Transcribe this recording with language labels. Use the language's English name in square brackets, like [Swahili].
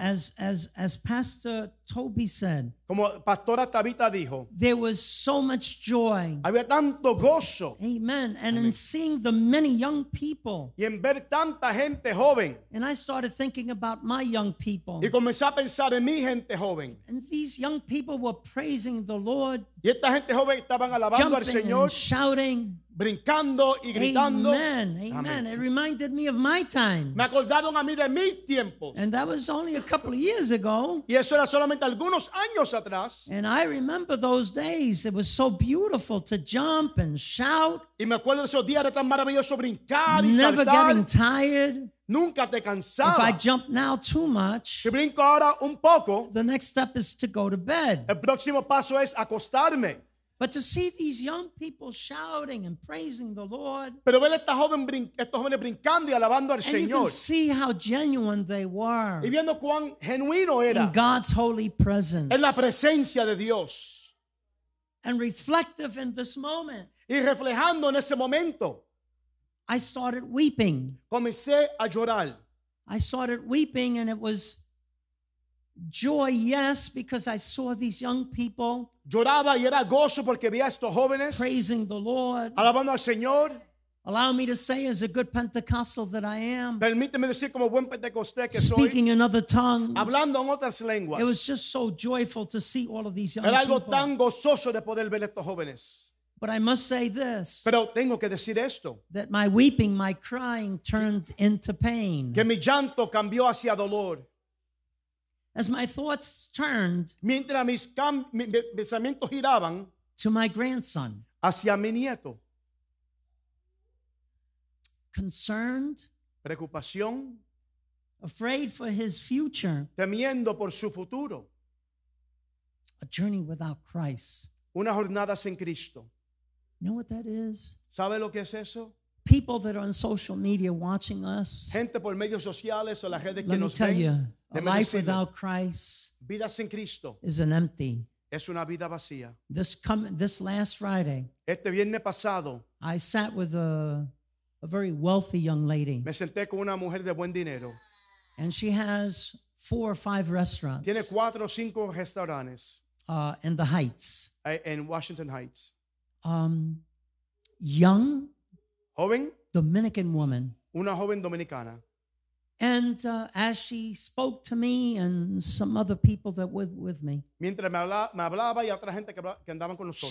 [English] as Pastor Toby said, [Spanish] como Pastora Tabitha dijo, [English] there was so much joy, [Spanish] había tanto gozo, [English] amen, and amen. In seeing the many young people, [Spanish] y en ver tanta gente joven, [English] and I started thinking about my young people, [Spanish] y comencé a pensar en mi gente joven, [English] and these young people were praising the Lord, [Spanish] y esta gente joven estaban alabando [English] jumping [Spanish] al Señor, [English] and shouting, [Spanish] brincando y gritando. [English] Amen, amen. It reminded me of my times. [Spanish] Me acordaron a mí de mis tiempos. [English] And that was only a couple of years ago. [Spanish] Y eso era solamente algunos años atrás. [English] And I remember those days. It was so beautiful to jump and shout. [Spanish] Y me acuerdo de esos días, era tan maravilloso brincar y saltar. [English] Never getting tired. [Spanish] Nunca te cansaba. [English] If I jump now too much, [Spanish] si brinco ahora un poco, [English] the next step is to go to bed. [Spanish] El próximo paso es acostarme. [English] But to see these young people shouting and praising the Lord, [Spanish] pero ver estos jóvenes brincando y alabando al Señor, [English] and you can see how genuine they were, [Spanish] y viendo cuán genuino era, [English] in God's holy presence, [Spanish] en la presencia de Dios, [English] and reflective in this moment, [Spanish] y reflejando en ese momento, [English] I started weeping. [Spanish] Comencé a llorar. [English] I started weeping, and it was joy, yes, because I saw these young people. [Spanish] Lloraba y era gozo porque vi a estos jóvenes [English] praising the Lord, [Spanish] alabando al Señor. [English] Allow me to say, as a good Pentecostal that I am, [Spanish] permíteme decir como buen pentecostés que soy, [English] speaking in other tongues, [Spanish] hablando en otras lenguas. [English] It was just so joyful to see all of these young people. [Spanish] Era algo [English] people. [Spanish] Tan gozoso de poder ver a estos jóvenes. [English] But I must say this, [Spanish] pero tengo que decir esto, [English] that my weeping, my crying turned into pain, [Spanish] que mi llanto cambió hacia dolor. [English] As my thoughts turned, [Spanish] mientras mis pensamientos giraban, [English] to my grandson, [Spanish] hacia mi nieto, [English] concerned, [Spanish] preocupación, [English] afraid for his future, [Spanish] temiendo por su futuro, [English] a journey without Christ, [Spanish] una jornada sin Cristo. [English] You know what that is? [Spanish] ¿Sabe lo que es eso? [English] People that are on social media watching us. [Spanish] Gente por medios sociales o las redes que nos ven. [English] Let me tell you, a life without Christ, [Spanish] vida sin Cristo, [English] is an empty. [Spanish] Es una vida vacía. [English] This last Friday, [Spanish] este viernes pasado, [English] I sat with a very wealthy young lady. [Spanish] Me senté con una mujer de buen dinero. [English] And she has 4 or 5 restaurants. [Spanish] Tiene 4 o 5 restaurantes. [English] In the Heights. In Washington Heights. Young. [Spanish] Joven, [English] Dominican woman, [Spanish] una joven dominicana, [English] and as she spoke to me and some other people that were with me, [Spanish] mientras me hablaba y otra gente que andaban con nosotros,